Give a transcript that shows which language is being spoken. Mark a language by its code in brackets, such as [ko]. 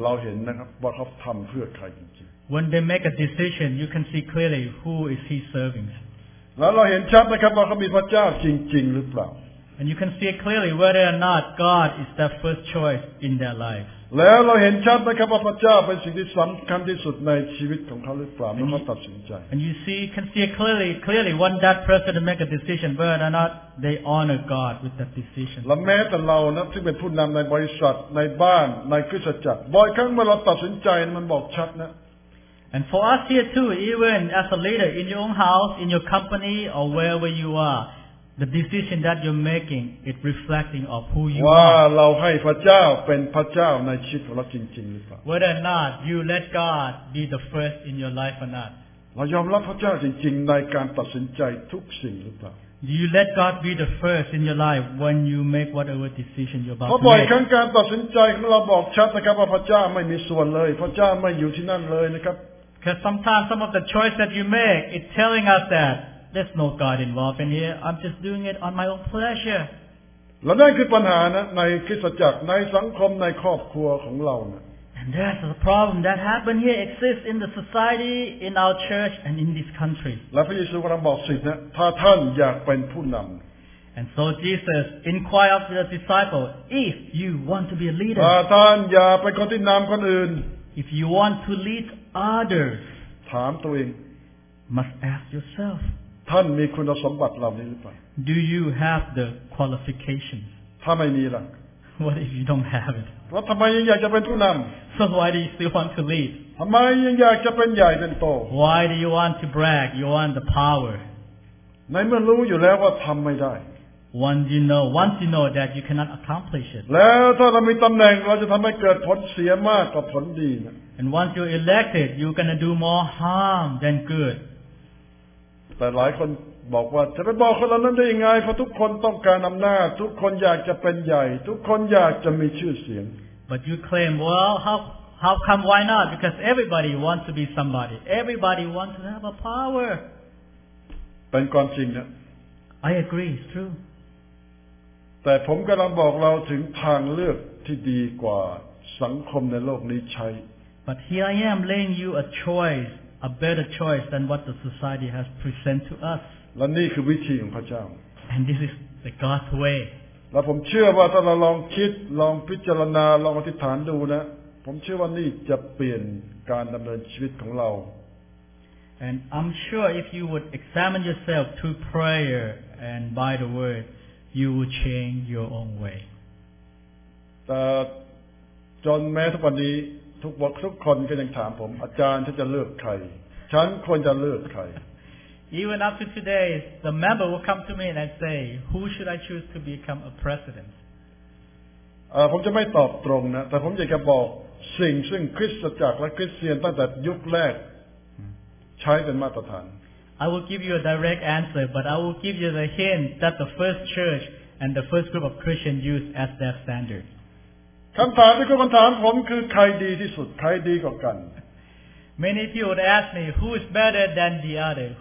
[en] When they make a decision, you can see clearly who is he serving. And you can see clearly whether or not God is their first choice in their life. [th] แล้วเราเห็นชัดไหมครับว่าพระเจ้าเป็นสิ่งที่สำคัญที่สุดในชีวิตของเขาหรือเปล่าเมื่อเขาตัดสินใจ [en] And you see, can see clearly when that person make a decision whether or not they honor God with that decision. [th] และแม้แต่เรานะซึ่งเป็นผู้นำในบริษัทในบ้านในคริสตจักรบ่อยครั้งเมื่อเราตัดสินใจมันบอกชัดนะ [en] And for us here too, even as a leader in your own house, in your company, or wherever you are. The decision that you're making is reflecting of who you are. [th] ว่าเราให้พระเจ้าเป็นพระเจ้าในชีวิตของเราจริงๆหรือเปล่า [en] Whether or not you let God be the first in your life or not. [th] เรายอมรับพระเจ้าจริงๆในการตัดสินใจทุกสิ่งหรือเปล่า [en] Do you let God be the first in your life when you make whatever decision you're about to make? [th] เพราะบ่อยครั้งการตัดสินใจของเราบอกชัดนะครับว่าพระเจ้าไม่มีส่วนเลยพระเจ้าไม่อยู่ที่นั่นเลยนะครับ [en] Because sometimes some of the choice that you make is telling us thatThere's no God involved in here. I'm just doing it on my own pleasure. [th] และนั่นคือปัญหานะในคริสตจักรในสังคมในครอบครัวของเราเนี่ย [en] And that's the problem that happened here exists in the society, in our church, and in this country. [th] และพระเยซูกำลังบอกสิทธิ์นะถ้าท่านอยากเป็นผู้นำ [en] And so Jesus inquired of the disciple, if you want to be a leader. [th] ถ้าท่านอยากเป็นคนที่นำคนอื่น [en] If you want to lead others. [th] ถามตัวเอง [en] Must ask yourself. [th] ท่านมีคุณสมบัติเหล่านี้หรือเปล่า [en] Do you have the qualifications? [th] ถ้าไม่มีล่ะ [en] What if you don't have it? [th] แล้วทำไมยังอยากจะเป็นผู้นำ [en] So why do you still want to lead? [th] ทำไมยังอยากจะเป็นใหญ่เป็นโต [en] Why do you want to brag? You want the power? [th] ในเมื่อรู้อยู่แล้วว่าทำไม่ได้ [en] Once you know that you cannot accomplish it. [th] แล้วถ้าเรามีตำแหน่งเราจะทำให้เกิดผลเสียมากกว่าผลดีนะ [en] And once you're elected, you're gonna do more harm than good. [th] แต่หลายคนบอกว่าจะไปบอกคนเหล่านั้นได้ยังไงเพราะทุกคนต้องการอำนาจทุกคนอยากจะเป็นใหญ่ทุกคนอยากจะมีชื่อเสียง [en] But you claim well how come why not because everybody wants to be somebody everybody wants to have a power [th] เป็นความจริงนะ [en] I agree it's true [th] แต่ผมกำลังบอกเราถึงทางเลือกที่ดีกว่าสังคมในโลกนี้ใช้ [en] But here I am laying you a choiceA better choice than what the society has presented to us. [th] และนี่คือวิธีของพระเจ้า [en] And this is the God's way. [th] และผมเชื่อว่าถ้าเราลองคิดลองพิจารณาลองอธิษฐานดูนะผมเชื่อว่านี่จะเปลี่ยนการดำเนินชีวิตของเรา [en] And I'm sure if you would examine yourself through prayer and by the word, you would change your own way. [th] แต่จนแม้ทุกวันนี้ทุกคนก็ยังถามผมอาจารย์ฉันจะเลือกใครฉันควรจะเลือกใคร [en] Even up to today the member will come to me and I'd say who should I choose to become a president [th] ผมจะไม่ตอบตรงนะแต่ผมอยากจะบอกสิ่งซึ่งคริสตจักรและคริสเตียนตั้งแต่ยุคแรกใช้เป็นมาตรฐาน [en] I will give you a direct answer, but I will give you the hint that the first church and the first group of Christians used as their standard. Many people would ask me, who is better than the other?